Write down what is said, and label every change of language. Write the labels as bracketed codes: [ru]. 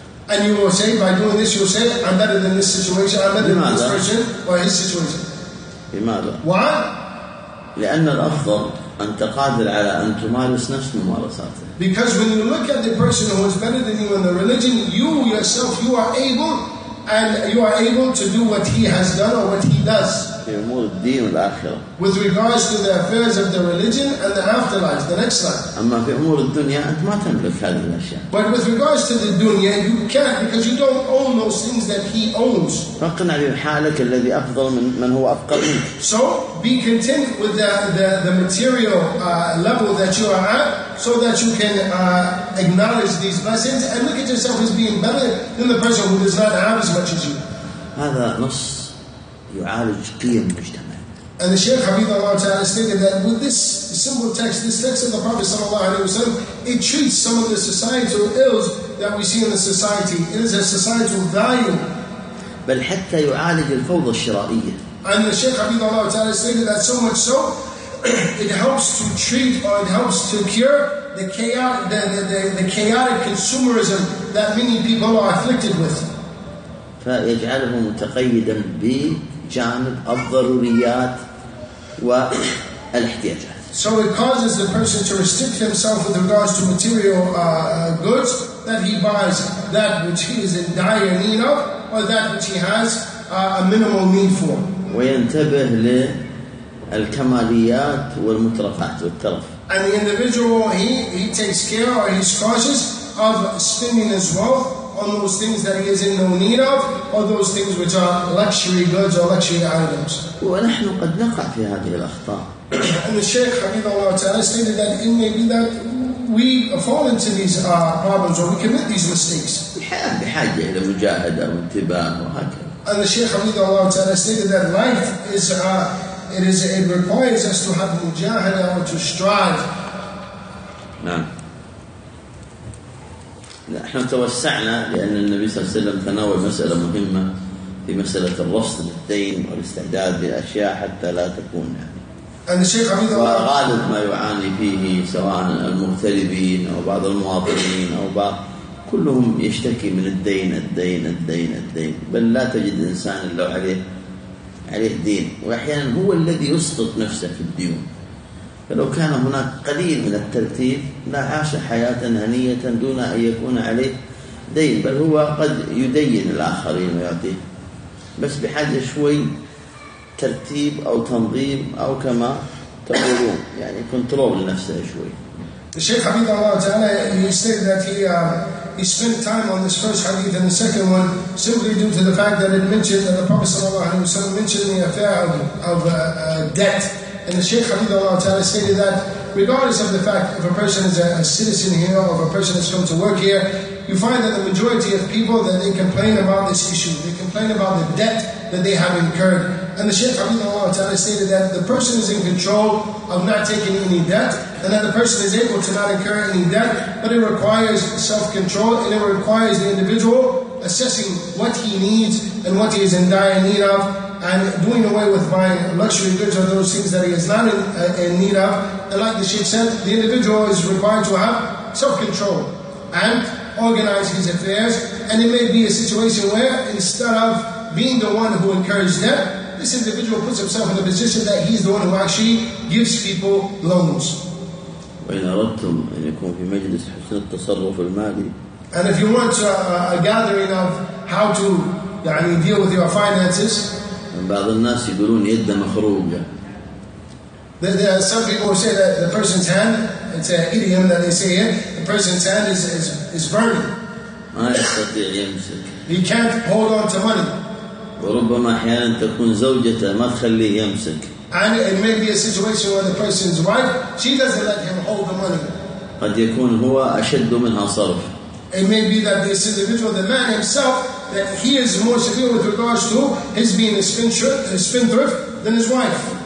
[en] And you will say, by doing this, you'll say, I'm better than this situation, I'm better than this person, or his situation. [ar] لماذا؟ [en] Why? [ar] لأن الأفضل أن تقادر على أن تمارس نفس ممارساته. [en] Because when you look at the person who is better than you in the religion, you yourself you are able and you are able to do what he has done or what he does. [ar] في أمور الدين والآخرة. [en] With regards to the affairs of the religion and the afterlife, the next life. [ar] أما في أمور الدنيا أنت ما تملك هذه الأشياء. [en] But with regards to the dunya, you can't because you don't own those things that he owns. [ar] فقنع لحالك الذي أفضل من من هو أفقر منك. [en] So be content with the material level that you are at, so that you can acknowledge these blessings and look at yourself as being better than the person who does not have as much as you. [ar] هذا نص. يعالج قيم المجتمع. [en] And the Shaykh Habib Allah Ta'ala stated that with this simple text, this text of the Prophet Sallallahu Alaihi Wasallam, it treats some of the societal ills that we see in the society. It is a societal value. [ar] بل حتى يعالج الفوضى الشرائية. [en] And the Shaykh Habib Allah Ta'ala stated that so much so, it helps to treat or it helps to cure the chaotic consumerism that many people are afflicted with. [ar] فيجعله متقيدا بجانب الضروريات والاحتياجات. [en] So it causes the person to restrict himself with regards to material goods that he buys, that which he is in dire need of, or that which he has a minimal need for. [ar] وينتبه للكماليات والمترفات والترف. [en] And the individual he takes care or he's cautious of spending his wealth on those things that he is in no need of, or those things which are luxury goods or luxury items. [ar] ونحن قد نقع في هذه الأخطاء. [en] And the Shaykh Habibullah Ta'ala stated that it may be that we fall into these problems or we commit these mistakes. [ar] بحاجة إلى مجاهدة وانتباه وهكذا. [en] And the Shaykh Habibullah Ta'ala stated that life is it requires us to have mujahada or to strive. [ar] نعم. نحن توسعنا لأن النبي صلى الله عليه وسلم تناول مسألة مهمة في مسألة الرصد للدين والاستعداد لأشياء حتى لا تكون يعني. وغالب ما يعاني فيه سواء المغتربين أو بعض المواطنين أو بعض كلهم يشتكي من الدين الدين الدين الدين بل لا تجد إنسان إلا عليه دين وأحيانا هو الذي يسقط نفسه في الديون. فلو كان هناك قليل من الترتيب لا عاش حياة هنية دون أن يكون عليه دين بل هو قد يدين الآخرين ويعطيه بس بحاجة شوي ترتيب أو تنظيم أو كما تقولون يعني كنترول لنفسه شوي. [en] الشيخ حبيب الله تعالى he said that he spent time on this first hadith and the second one simply due to the fact that it mentioned that the Prophet صلى الله عليه وسلم mentioned the affair of debt. And the Shaykh Habibullah Ta'ala stated that regardless of the fact if a person is a citizen here or if a person has come to work here, you find that the majority of people that they complain about this issue, they complain about the debt that they have incurred. And the Shaykh Habibullah Ta'ala stated that the person is in control of not taking any debt and that the person is able to not incur any debt, but it requires self-control and it requires the individual assessing what he needs and what he is in dire need of and doing away with buying luxury goods or those things that he is not in need of. And like the Sheikh said, the individual is required to have self-control and organize his affairs. And it may be a situation where instead of being the one who incurs debt, this individual puts himself in a position that he's the one who actually gives people loans. [ar] وإن أردتم أن يكون في مجلس حسن التصرف المالي. [en] And if you want a gathering of how to يعني, deal with your finances, [ar] بعض الناس يقولون يده مخروقة. [en] Some people say that the person's hand, it's an idiom that they say it, the person's hand is burning. [ar] ما يستطيع يمسك. [en] He can't hold on to money. [ar] وربما أحيانا تكون زوجته ما تخليه يمسك. [en] And it may be a situation where the person's wife, she doesn't let him hold the money. [ar] قد يكون هو أشد منها صرف. [en] It may be that this individual, the man himself, that he is more severe with regards to his being a spendthrift than his wife.